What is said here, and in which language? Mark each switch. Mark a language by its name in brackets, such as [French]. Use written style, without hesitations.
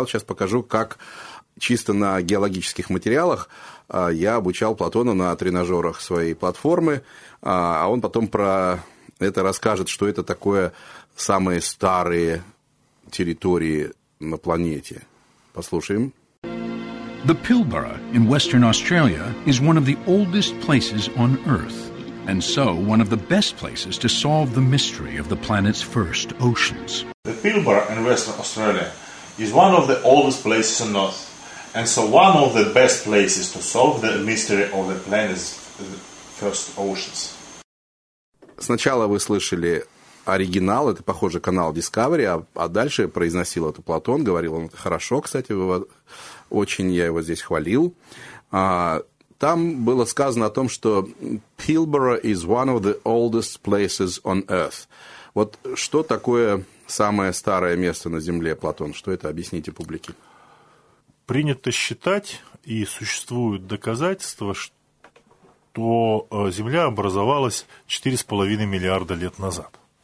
[Russian] Я вот сейчас покажу, как чисто на геологических материалах я обучал Платона на тренажерах своей платформы, а он потом про это расскажет, что это такое самые старые территории на планете. Послушаем. [English] The Pilbara in Western Australia is one of the oldest places on Earth. And so, one of the best places to solve the mystery of the planet's first oceans. The Pilbara in Western Australia is one of the oldest places on Earth. And so, one of the best places to solve the mystery of the planet's first oceans. [Russian] Сначала вы слышали оригинал, это, похоже, канал Discovery, а дальше произносил это Платон, говорил он хорошо, кстати, очень я его здесь хвалил. Там было сказано о том, что [English] Pilbara is one of the oldest places on Earth. [Russian] Вот что такое самое старое место на Земле, Платон? Что это? Объясните публике. Принято считать, и существуют доказательства, что Земля образовалась 4,5 миллиарда лет назад.